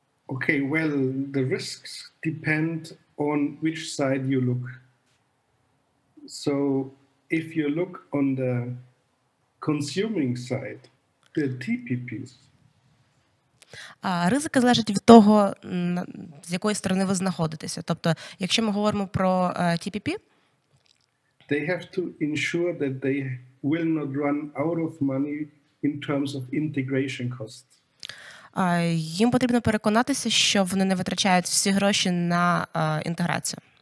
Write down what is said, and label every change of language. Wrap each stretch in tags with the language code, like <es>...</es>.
<en>Okay, well, the risks depend on which side you look. So if you look on the consuming side, the TPPs.</en> <uk>Ризики залежать від того, з якої сторони ви знаходитеся. Тобто, якщо ми говоримо про TPP,</uk> <en>they have to ensure that they will not run out of money in terms of integration costs.</en> <uk>Їм потрібно переконатися, що вони не витрачають всі гроші на інтеграцію.</uk>